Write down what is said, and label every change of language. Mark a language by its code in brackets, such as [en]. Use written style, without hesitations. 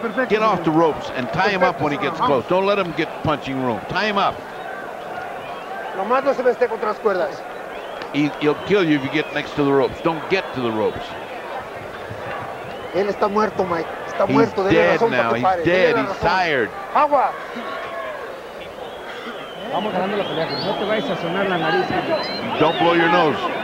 [en] Get off the ropes and tie him up when he gets close. Don't let him get punching room. Tie him up. [es] Nomás no se me esté contra las cuerdas. [en] He'll kill you if you get next to the ropes. Don't get to the ropes. [es] Él está muerto, Mike. Está [en] He's [es] muerto. [en] Dead now. He's pare. Dead. He's tired. [es] Agua. [en] Don't blow your nose.